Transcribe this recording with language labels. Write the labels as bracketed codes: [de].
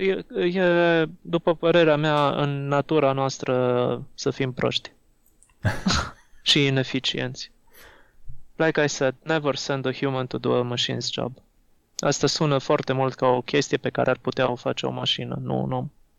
[ro] E, după părerea mea, în natura noastră să fim proști și ineficienți. [en] Like I said, never send a human to do a machine's job. [ro] Asta sună foarte mult ca o chestie pe care ar putea o face o mașină, nu un om.